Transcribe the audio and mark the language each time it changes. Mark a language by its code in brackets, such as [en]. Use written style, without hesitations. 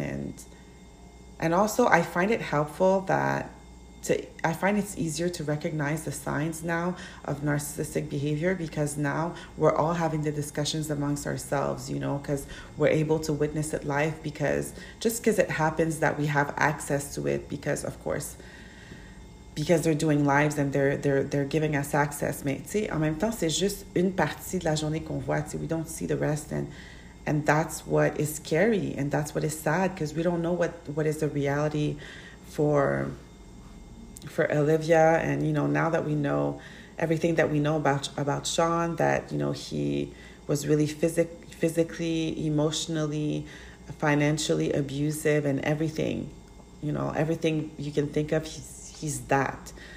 [en] And also, I find it helpful I find it's easier to recognize the signs now of narcissistic behavior, because now we're all having the discussions amongst ourselves, you know, because we're able to witness it live, because just because it happens that we have access to it, because of course, because they're doing lives and they're giving us access. [fr] Mais tu sais, en même temps, c'est juste une partie de la journée qu'on voit. [en] T'sais, we don't see the rest, and that's what is scary, and that's what is sad, because we don't know what is the reality for Olivia. And, you know, now that we know everything that we know about Sean, that, you know, he was really physically, emotionally, financially abusive, and everything, you know, everything you can think of, he's that.